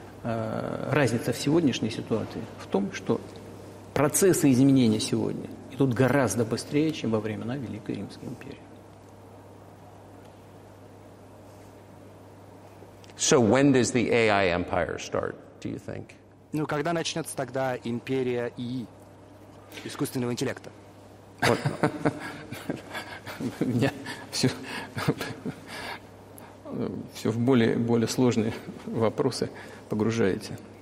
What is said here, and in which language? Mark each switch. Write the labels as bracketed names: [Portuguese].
[Russian] Разница в сегодняшней ситуации в том, что процессы изменения сегодня идут гораздо быстрее, чем во времена Великой Римской империи. [English] So when does the AI empire start, do you think? [Russian] Ну, когда начнется тогда империя ИИ, искусственного интеллекта? Меня все в более сложные вопросы погружаете.